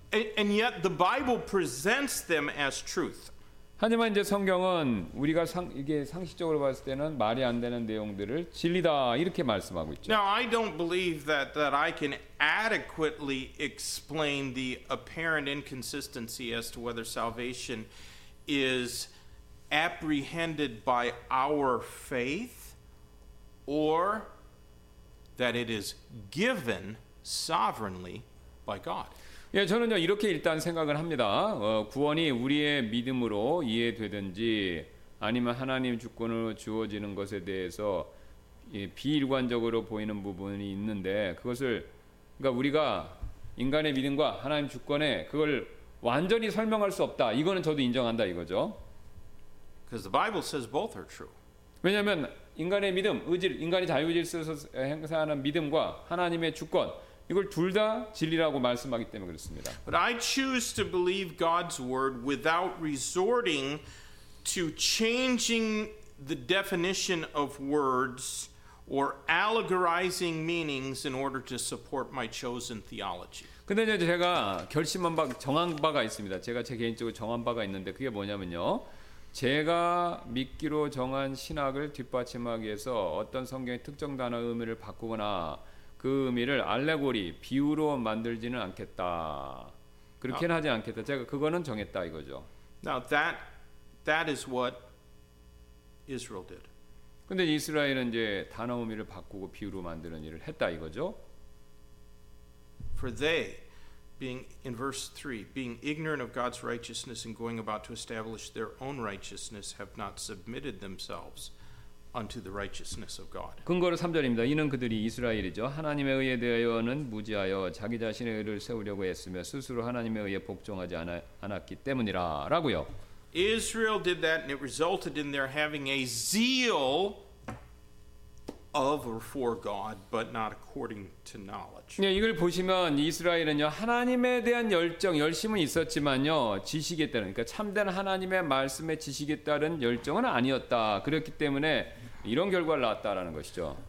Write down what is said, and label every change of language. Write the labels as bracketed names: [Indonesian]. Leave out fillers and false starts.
[English] And yet the Bible presents them as truth. [Korean] 하지만 이제 성경은 우리가 이게 상식적으로 봤을 때는 말이 안 되는 내용들을 진리다 이렇게 말씀하고 있죠. [English] Now I don't believe that I can adequately explain the apparent inconsistency as to whether salvation is apprehended by our faith or that it is given sovereignly by God. [Korean] 예, 저는요 이렇게 일단 생각을 합니다. 구원이 우리의 믿음으로 이해되든지 아니면 하나님 주권으로 주어지는 것에 대해서 예, 비일관적으로 보이는 부분이 있는데 그것을 그러니까 우리가 인간의 믿음과 하나님 주권에 그걸 완전히 설명할 수 없다. 이거는 저도 인정한다 이거죠. [English] Because the Bible says both are true. [Korean] 왜냐하면 인간의 믿음, 의지를, 인간이 자유의지를 써서 행사하는 믿음과 하나님의 주권 이걸 둘 다 진리라고 말씀하기 때문에 그렇습니다. [English] But I choose to believe God's word without resorting to changing the definition of words or allegorizing meanings in order to support my chosen theology. [Korean] 근데 이제 제가 결심한 바 정한 바가 있습니다. 제가 제 개인적으로 정한 바가 있는데 그게 뭐냐면요. 제가 믿기로 정한 신학을 뒷받침하기 위해서 어떤 성경의 특정 단어 의미를 바꾸거나 그 의미를 알레고리 비유로 만들지는 않겠다. 그렇게는 하지 않겠다. 제가 그거는 정했다 이거죠. [English] Now that is what Israel did. [Korean] 근데 이스라엘은 이제 단어 의미를 바꾸고 비유로 만드는 일을 했다 이거죠. [English] For they being in verse 3 being ignorant of God's righteousness and going about to establish their own righteousness have not submitted themselves unto the righteousness of God. [Korean] 근거로 3절입니다. 이는 그들이 이스라엘이죠. 하나님의 의에 대하여는 무지하여 자기 자신의 의를 세우려고 했으며 스스로 하나님의 의에 복종하지 않았기 때문이라라고요. [English] Israel did that and it resulted in their having a zeal of or for God but not according to knowledge. [Korean] 네, 이걸 보시면 이스라엘은요. 하나님에 대한 열정, 열심은 있었지만요. 지식에 따른 그러니까 참된 하나님의 말씀에 지식에 따른 열정은 아니었다. 그렇기 때문에 이런 결과를 낳았다라는 것이죠.